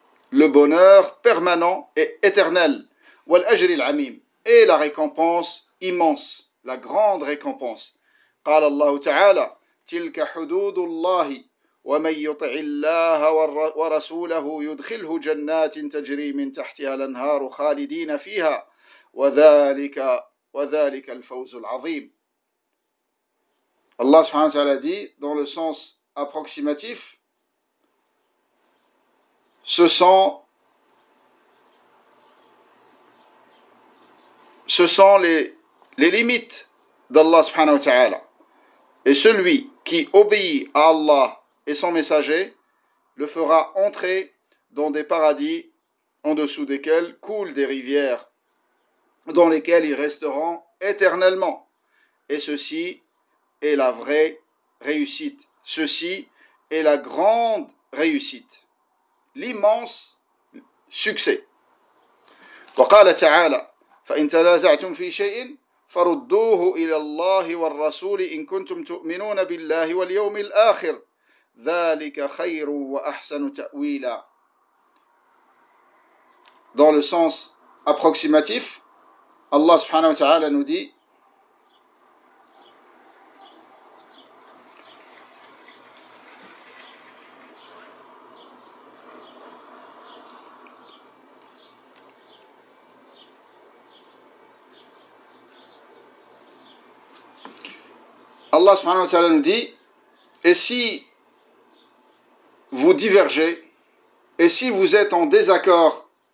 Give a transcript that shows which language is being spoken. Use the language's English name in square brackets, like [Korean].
[French] Le bonheur permanent et éternel. [Arabic] والأجر العميم. [French] Et la récompense immense, la grande récompense. [Arabic] قال الله تعالى تلك حدود الله ومن يطع الله ورسوله يدخله جنات تجري من تحتها الانهار خالدين فيها وذلك الفوز العظيم. [French] Allah subhanahu wa ta'ala dit dans le sens approximatif, ce sont les limites d'Allah subhanahu wa ta'ala. Et celui qui obéit à Allah et son messager le fera entrer dans des paradis en dessous desquels coulent des rivières dans lesquelles ils resteront éternellement. Et ceci est la vraie réussite. Ceci est la grande réussite. L'immense succès. [Arabic] وقال تعالى فإن تنازعتم في شيء فردوه إلى الله والرسول إن كنتم تؤمنون بالله واليوم الآخر ذلك خير وأحسن تأويلا. [French] Dans le sens approximatif, Allah subhanahu wa ta'ala nous dit: Allah subhanahu wa ta'ala nous dit, et si vous divergez, et si vous êtes en désaccord